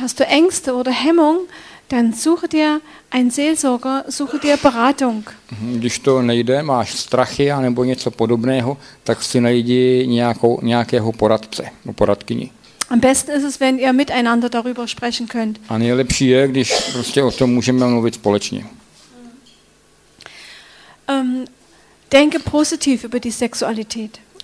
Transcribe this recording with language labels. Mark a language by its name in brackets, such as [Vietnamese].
[German] Hast du Ängste oder Hemmung? Dann suche dir einen Seelsorger, suche dir Beratung. [Czech] Když to nejde, máš strachy a nebo něco podobného, tak si najdi nějakého poradce, poradkyni. [German] Am besten ist es, wenn ihr miteinander darüber sprechen könnt. [Czech] A nejlepší je, když prostě o tom můžeme mluvit společně. [German] Denke positiv über die Sexualität.